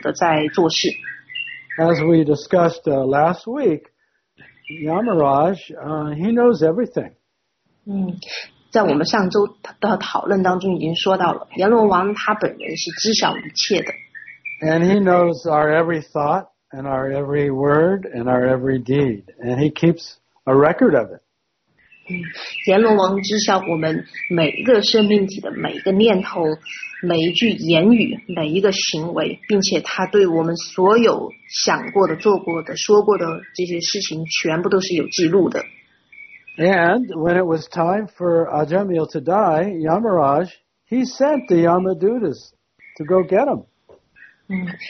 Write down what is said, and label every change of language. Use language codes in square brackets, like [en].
[zh] 并且亚玛都他们也并没有是这种完全独立自主的在做事。 [en] As we discussed last week, Yamaraj, he knows everything. [zh] 在我们上周的讨论当中已经说到了，阎罗王他本人是知晓一切的。 [en] And he knows our every thought and our every word and our every deed, and he keeps a record of it. [zh] 阎罗王知晓我们每一个生命体的每一个念头，每一句言语，每一个行为，并且他对我们所有想过的、做过的、说过的这些事情，全部都是有记录的。 [en] And when it was time for Ajamil to die, Yamaraj, he sent the Yamadutas to go get him.